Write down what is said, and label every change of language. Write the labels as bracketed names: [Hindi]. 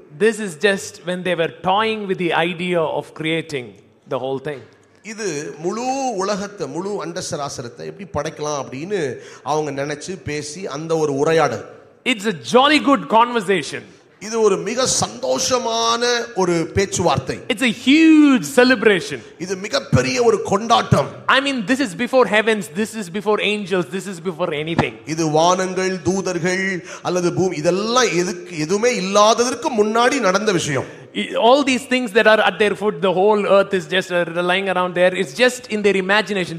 [English] This is just when they were toying with the idea of creating the whole thing. [Tamil] இது முழு உலகத்தை முழு அண்டசராசரத்தை எப்படி படைக்கலாம் அப்படின்னு அவங்க நினைச்சு பேசி அந்த ஒரு உரையாடல். [English] It's a jolly good conversation. [Tamil] இது ஒரு மிக சந்தோஷமான ஒரு பேச்சுவார்த்தை. [English] It's a huge celebration. [Tamil] இது மிகப்பெரிய ஒரு கொண்டாட்டம். [English] I mean, this is before heavens, this is before angels, this is before anything. [Tamil] இது வானங்கள், தூதர்கள் அல்லது பூமி இதெல்லாம் எதுவுமே இல்லாததற்கு முன்னாடி நடந்த விஷயம். [English] All these things that are at their foot, the whole earth is just lying around there, it's just in their imagination.